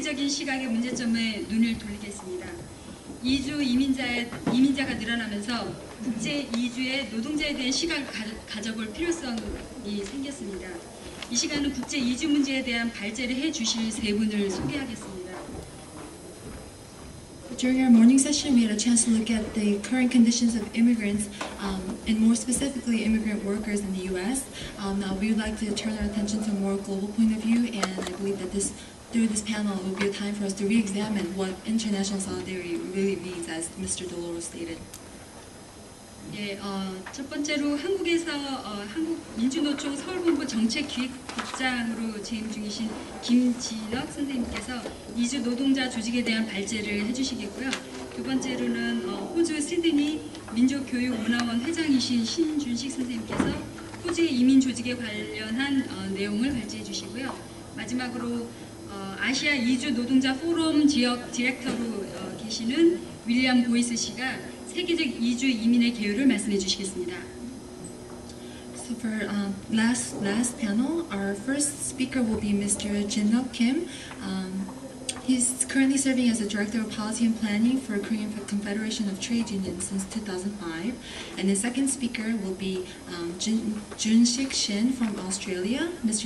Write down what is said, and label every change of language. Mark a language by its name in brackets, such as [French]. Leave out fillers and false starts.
[Korean] 시각의 문제점에 눈을 돌리겠습니다. 이주 이민자가 늘어나면서 국제 이주의 노동자에 대한 시각을 가져볼 필요성이 생겼습니다. 이 시간은 국제 이주 문제에 대한 발제를 해주실 세 분을 소개하겠습니다. [English] During our morning session, we had a chance to look at the current conditions of immigrants, and more specifically, immigrant workers in the U.S. Now, we would like to turn our attention to a more global point of view, and I believe that through this panel, it will be a time for us to re-examine what international solidarity really means, as Mr. Dolores stated. [Korean] 예, 첫 번째로 한국에서 한국 민주노총 서울본부 정책기획국장으로 재임 중이신 김지덕 선생님께서 이주 노동자 조직에 대한 발제를 해주시겠고요. 두 번째로는 호주 시드니 민족교육문화원 회장이신 신준식 선생님께서 호주 이민 조직에 관련한 내용을 발제해 주시고요. 마지막으로 아시아 이주 노동자 포럼 지역 디렉터로 계시는 윌리엄 보이스 씨가 세계적 이주 이민의 개요를 말씀해 주시겠습니다. [English] So for last panel, our first speaker will be Mr. Jin-Nok Kim. He's currently serving as a Director of Policy and Planning for Korean Confederation of Trade Unions since 2005. And the second speaker will be Jun-Sik Shin from Australia. Mr.